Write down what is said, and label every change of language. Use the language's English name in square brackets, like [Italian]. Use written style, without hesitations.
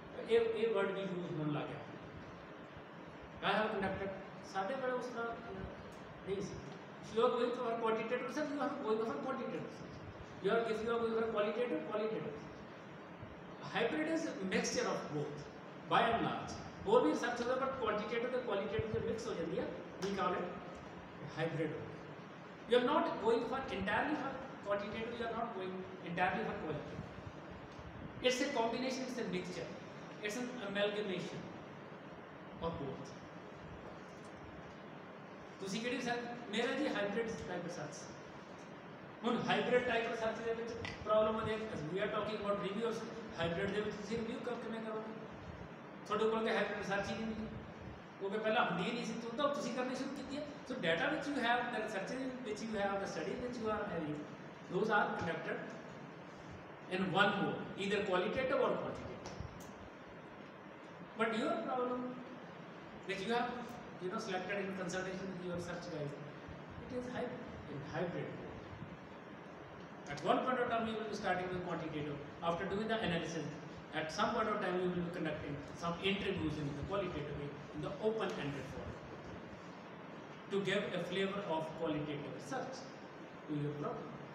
[Punjabi] ਇਹ ਵਰਡ ਵੀ ਯੂਜ ਹੋਣ ਲੱਗ ਗਿਆ [English] I have conducted [Punjabi] ਸਾਡੇ ਵੇਲੇ ਉਸ ਤਰ੍ਹਾਂ ਨਹੀਂ ਸੀ [English] you are going to are quantitative research you are going for quantitative research you are giving you are going for qualitative qualitative hybrid is mixture of both by and large [Hindi] वो भी research होता है, but quantitative qualitative mix हो जाती है, [English] We call it hybrid. You are not going for entirely for quantitative, you are not going entirely for quality, it's a combination, it's a mixture, it's an amalgamation of both. [Punjabi] ਤੁਸੀਂ ਕਿਹੜੀ sir? ਮੇਰਾ ਜੀ hybrid type research. ਹੁਣ hybrid type research ਦੇ ਵਿੱਚ problem ਆ ਦੇਖ, [English] we are talking about reviews, [Punjabi] hybrid ਦੇ ਵਿੱਚ ਤੁਸੀਂ ਰਿਵਿਊ ਕਰ ਕਿਵੇਂ ਕਰੋਗੇ? ਤੁਹਾਡੇ ਕੋਲ ਤਾਂ ਹਾਈਬ੍ਰਿਡ ਰਿਸਰਚ ਹੀ ਨਹੀਂ, ਕਿਉਂਕਿ ਪਹਿਲਾਂ ਹੁੰਦੀ ਨਹੀਂ ਸੀ, ਤੁਹਾਨੂੰ ਤਾਂ ਤੁਸੀਂ ਕਰਨੀ ਸ਼ੁਰੂ ਕੀਤੀ ਹੈ। [English] So data ਵਿੱਚ you have the research ਵਿੱਚ, you have the study ਵਿੱਚ, you are having, those are connected in one more, either qualitative or quantitative. But your problem ਵਿੱਚ you have you know selected in consultation with your search guys, it is hybrid. At one point of time you will be starting with quantitative, after doing the analysis at some point of time you will be conducting some interviews in the qualitative way, in the open ended form, to give a flavor of qualitative research to your problem.